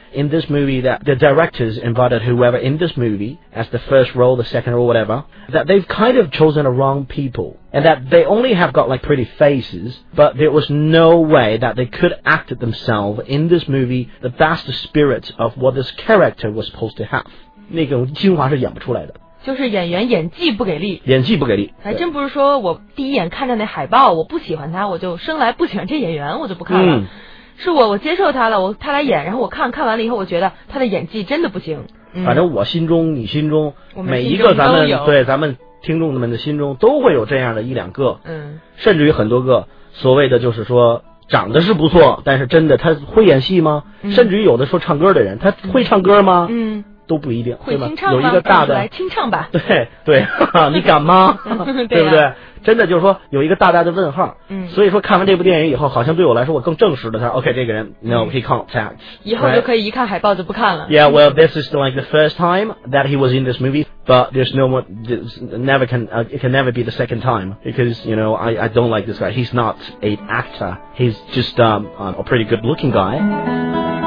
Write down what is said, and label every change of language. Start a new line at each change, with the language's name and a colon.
English: In this movie, that the directors invited whoever in this movie as the first role, the second role, whatever, that they've kind of chosen the wrong people. And that they only have got like pretty faces, but there was no way that they could act it themselves in this movie the best spirit of what this character was supposed to have.
Chinese: 那个精华是演不出来的。就是演员演技不给力，演技不给力，还真不是说我第一眼看着那海报我不喜欢他，我就生来不喜欢这演员，我就不看了。是我接受他了，他来演，然后我看完了以后，我觉得他的演技真的不行。反正我心中，你心中，我每一个咱们听众们的心中都会有这样的一两个，甚至于很多个所谓的就是说长得是不错，但是真的他会演戏吗？甚至于有的说唱歌的人，他会唱歌吗？都不一定，会清唱吗？有一个大的来清唱吧。对，呵呵，你敢吗？对不对？真的就是说有一个大的问号。所以说看完这部电影以后，好像对我来说，我更正式的他 OK 这个人
English: No, he can't act.
Chinese: 以后就可以一看海报就不看了。
English: Yeah, well, this is like the first time that he was in this movie, but there's no more, this never can, it can never be the second time because you know I don't like this guy. He's not an actor. He's just a pretty good looking guy.